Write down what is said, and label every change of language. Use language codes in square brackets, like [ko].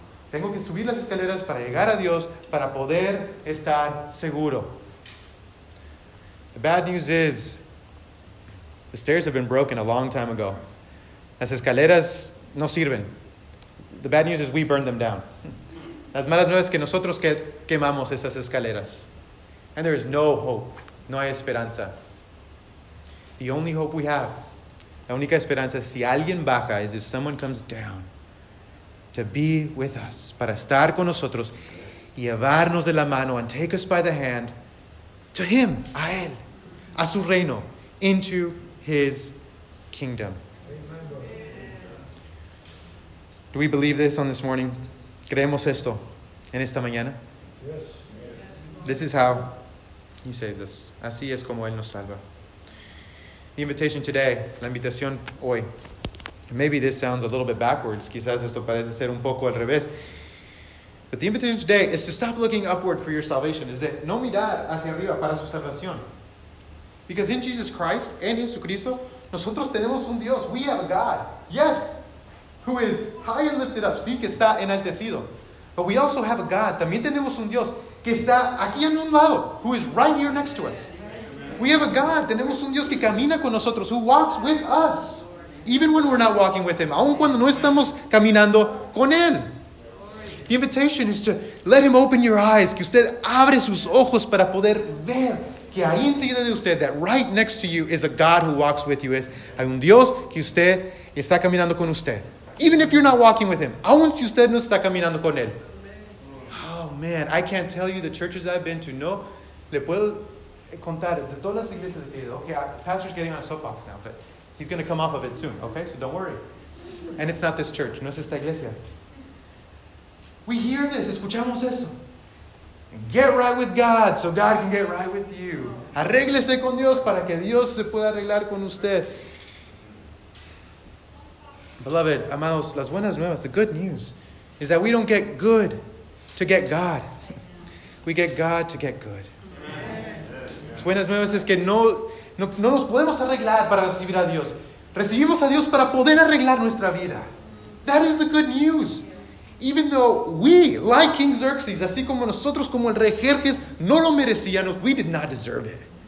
[es] Tengo que subir las escaleras para llegar a Dios para poder estar seguro. [en] The bad news is the stairs have been broken a long time ago. [es] Las escaleras no sirven. [en] The bad news is we burned them down. [es] Las malas nuevas es que nosotros quemamos esas escaleras. [en] And there is no hope. [es] No hay esperanza. [en] The only hope we have, [es] la única esperanza, si alguien baja, [en] is if someone comes down to be with us, [es] para estar con nosotros, y llevarnos de la mano [en] and take us by the hand to him, [es] a él, a su reino, [en] into his kingdom. Do we believe this on this morning? [es] ¿Creemos esto en esta mañana? [en] Yes. This is how he saves us. [es] Así es como él nos salva. [en] The invitation today, [es] la invitación hoy. [en] Maybe this sounds a little bit backwards. [es] Quizás esto parece ser un poco al revés. [en] But the invitation today is to stop looking upward for your salvation. [es] Es de no mirar hacia arriba para su salvación. [en] Because in Jesus Christ, [es] en Jesucristo, nosotros tenemos un Dios. [en] We have a God. Yes. Who is high and lifted up. [es] Sí, que está enaltecido. [en] But we also have a God. [es] También tenemos un Dios que está aquí en un lado. [en] Who is right here next to us. We have a God. [es] Tenemos un Dios que camina con nosotros. [en] Who walks with us. Even when we're not walking with him. [es] Aun cuando no estamos caminando con él. [en] The invitation is to let him open your eyes. [es] Que usted abre sus ojos para poder ver. Que ahí enseguida de usted, [en] that right next to you, is a God who walks with you. [es] Es un Dios que usted está caminando con usted. [en] Even if you're not walking with him. [es] Aun si usted no está caminando con él. [en] Oh man, I can't tell you the churches I've been to. [es] No, le puedo contar de todas las iglesias que he ido. [en] Okay, pastor's getting on a soapbox now, but he's going to come off of it soon, okay? So don't worry. And it's not this church. [es] No es esta iglesia. [en] We hear this. [es] Escuchamos eso. [en] Get right with God so God can get right with you. [es] Arréglese con Dios para que Dios se pueda arreglar con usted. [en] Beloved, [es] amados, las buenas nuevas, [en] the good news is that we don't get good to get God. We get God to get good. [es] Las buenas nuevas es que no nos podemos arreglar para recibir a Dios. Recibimos a Dios para poder arreglar nuestra vida. [en] That is the good news. Even though we, like King Xerxes, [es] así como nosotros, como el rey Jerjes, no lo merecíamos, [en] we did not deserve it.